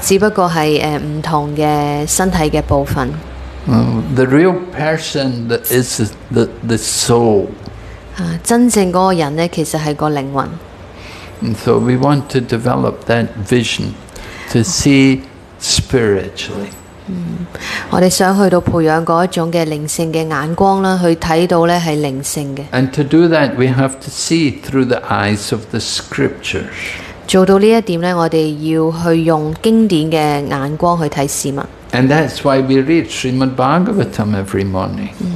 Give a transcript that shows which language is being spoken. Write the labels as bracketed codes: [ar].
[yue] 只不過係唔同嘅身體嘅部分。 [en] The real person that is the soul. [yue] 真正嗰個人咧，其實係個靈魂。 [en] And so we want to develop that vision to see spiritually. [yue] 我哋想去到培養嗰一種嘅靈性嘅眼光啦，去睇到咧係靈性嘅。 [en] And to do that, we have to see through the eyes of the scriptures. [yue] 做到呢一點咧，我哋要去用經典嘅眼光去睇事物。 [en] And that's why we read Srimad Bhagavatam every morning.